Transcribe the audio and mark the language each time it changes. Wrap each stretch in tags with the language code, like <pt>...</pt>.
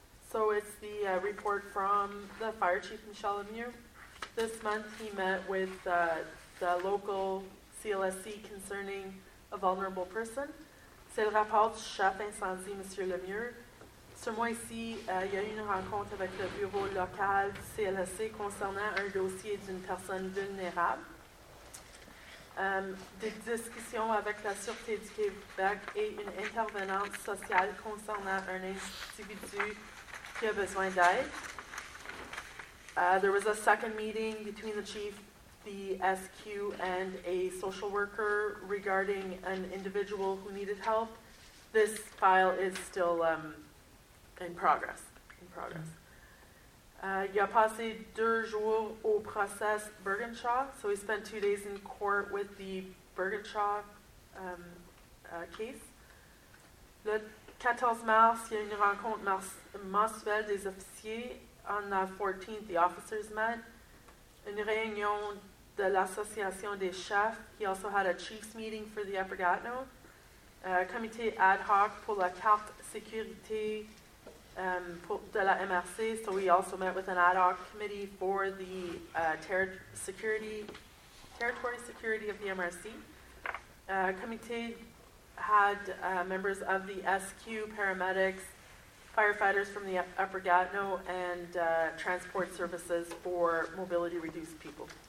<en>So it's the report from the fire chief, Michel Lemieux. This month he met with the local CLSC concerning a vulnerable person.</en> <fr>C'est le rapport du chef incendie, Monsieur Lemieux. Ce mois-ci, il y a eu une rencontre avec le bureau local du CLSC concernant un dossier d'une personne vulnérable. Des discussions avec la Sûreté du Québec et une intervenante sociale concernant un individu qui a besoin d'aide.</fr> <en>There was a second meeting between the chief, the SQ, and a social worker regarding an individual who needed help. This file is still in progress.</en> <fr>Il a passé deux jours au procès Bergenshaw,</fr> <en>so he spent 2 days in court with the Bergenshaw case.</en> <fr>Le 14 mars, il y a une rencontre mensuelle des officiers.</fr> <en>On the 14th, the officers met.</en> <fr>Une réunion de l'Association des chefs.</fr> <en>He also had a chief's meeting for the Upper Gatineau.</en> <fr>Comité ad hoc pour la carte sécurité de la MRC.</fr> <en>So we also met with an ad hoc committee for the territory security of the MRC. Comité had members of the SQ, paramedics, firefighters from the Upper Gatineau, and transport services for mobility-reduced people.</en>